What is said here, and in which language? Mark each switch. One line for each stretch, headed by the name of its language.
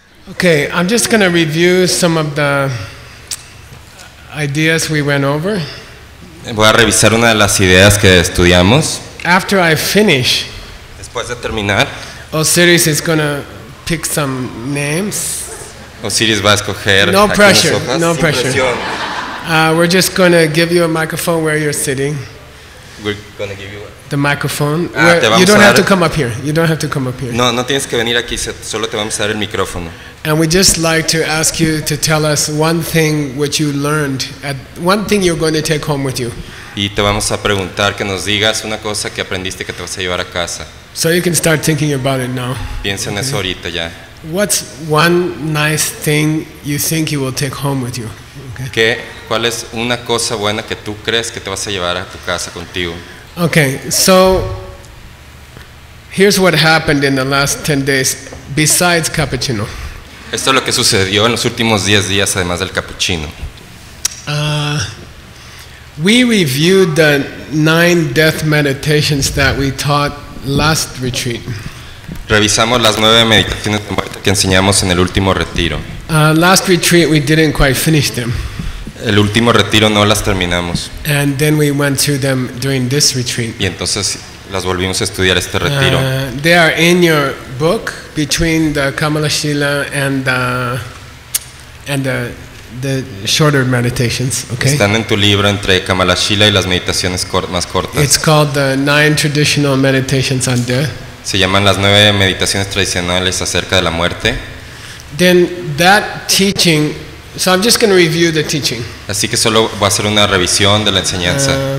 English: Okay, I'm just going to review some of the ideas we went over.
Spanish: Voy a revisar una de las ideas que estudiamos.
English: After I finish,
Spanish: después de terminar,
English: Osiris is going to pick some names.
Spanish: Osiris va a escoger.
English: No pressure. No pressure. We're just going to give you a microphone where you're sitting. We're going to give you the microphone. Ah, you don't have to come up here. You don't have to come up here.
Spanish: No, no tienes que venir aquí. Solo te vamos a dar el micrófono.
English: And we just like to ask you to tell us one thing which you learned, one thing you're going to take home with you.
Spanish: Y te vamos a preguntar que nos digas una cosa que aprendiste que te vas a llevar a casa.
English: So you can start thinking about it now.
Spanish: Piensa en eso ahorita ya.
English: What's one nice thing you think you will take home with you?
Spanish: Okay. ¿Qué? ¿Cuál es una cosa buena que tú crees que te vas a llevar a tu casa contigo?
English: Okay, so here's what happened in the last 10 days besides cappuccino.
Spanish: Esto es lo que sucedió en los últimos 10 días además del cappuccino.
English: We reviewed the 9 death meditations that we taught last retreat.
Spanish: Revisamos las 9 meditaciones de muerte que enseñamos en el último retiro.
English: Last retreat we didn't quite finish them.
Spanish: El último retiro no las terminamos.
English: And then we went through them during this retreat.
Spanish: Y entonces las volvimos a estudiar este retiro.
English: They are in your book between the Kamala Shila and the shorter meditations, okay?
Spanish: Están en tu libro entre Kamala Shila y las meditaciones más cortas.
English: It's called the 9 traditional meditations on death.
Spanish: Se llaman las 9 meditaciones tradicionales acerca de la muerte.
English: Then that teaching, so I'm just going to review the teaching.
Spanish: Así que solo voy a hacer una revisión de la enseñanza.